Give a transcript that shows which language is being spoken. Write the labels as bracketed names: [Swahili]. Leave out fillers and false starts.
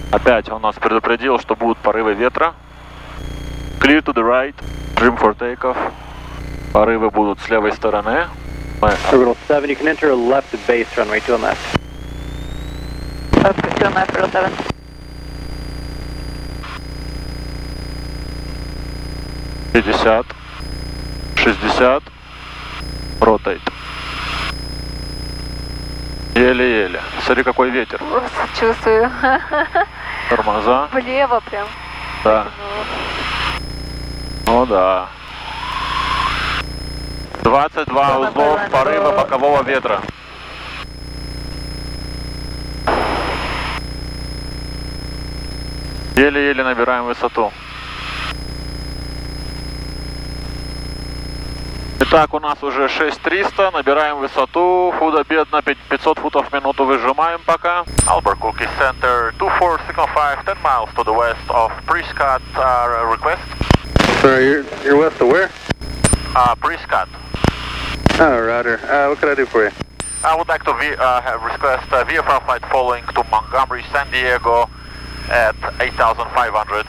[Russian] Опять он нас предупредил, что будут порывы ветра. [English] Clear to the right, trim for takeoff. [Russian] Порывы будут с левой стороны. [English] Orbital 7, you can enter a left base runway, 2 on left. Okay, 2 on left, orbital 7. Sixty. Rotate. [Russian] Еле-еле. Смотри, какой ветер. Чувствую. Тормоза. Влево прям. Да. Ну да. 22 узлов порыва бокового ветра. Еле-еле набираем высоту. Итак, у нас уже 6300, набираем высоту, худо-бедно, 500 футов в минуту выжимаем пока. [English] Albuquerque Center, 2465, 10 miles to the west of Prescott, request. Sir, you're west of where? Prescott. Oh, roger. What can I do for you? I would like to request a VFR flight following to Montgomery, San Diego at 8500,